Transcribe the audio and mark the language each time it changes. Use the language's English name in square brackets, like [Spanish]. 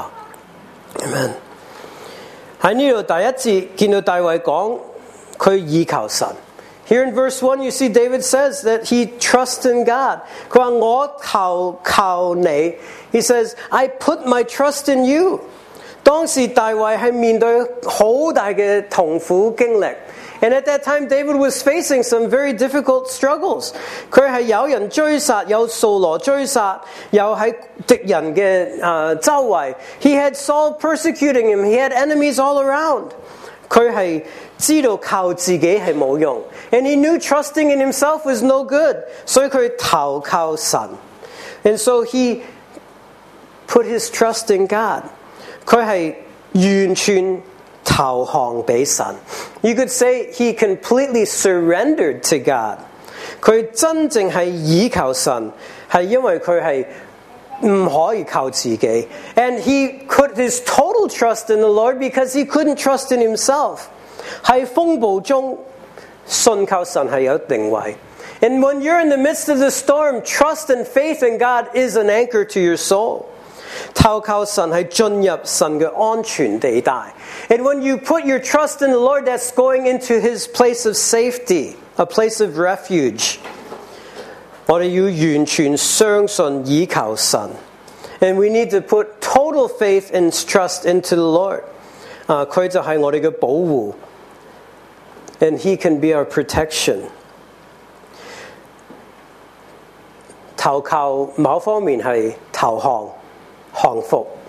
[Chinese] 主，我们感谢你，今天我们看这个诗篇，我们靠你透过这个诗篇，再一次教导我们，激励我们，让我们更加明白主你的恩惠，你的慈爱。我们多谢你，听我们祷告，奉主名求，Amen。在这里第一节，见到大卫讲，他倚靠神。 [English] Here in verse 1, you see David says that he trusts in God. He says, I put my trust in you. [Chinese] 當時大衛是面對很大的痛苦經歷. [English] And at that time, David was facing some very difficult struggles. [Chinese] 他是有人追殺,有掃羅追殺,又在敵人的周圍. [English] He had Saul persecuting him, he had enemies all around. [Chinese] 他是知道靠自己是沒用. [English] And he knew trusting in himself was no good. [Chinese] 所以他投靠神. [English] And so he put his trust in God. [Chinese] 他是完全投降给神. [English] You could say he completely surrendered to God. [Chinese] 他真正是倚靠神, 是因为他是不可以靠自己, [English] and he put his total trust in the Lord because he couldn't trust in himself. [Chinese] 在风暴中信靠神是有定位. [English] And when you're in the midst of the storm, trust and faith in God is an anchor to your soul. [Chinese] 投靠神是进入神的安全地带. [English] And when you put your trust in the Lord, that's going into his place of safety, a place of refuge. [Chinese] 我们要完全相信依靠神. [English] And we need to put total faith and trust into the Lord. [Chinese] 祂就是我们的保护. [English] And he can be our protection. [Chinese] 投靠某方面是投降降服.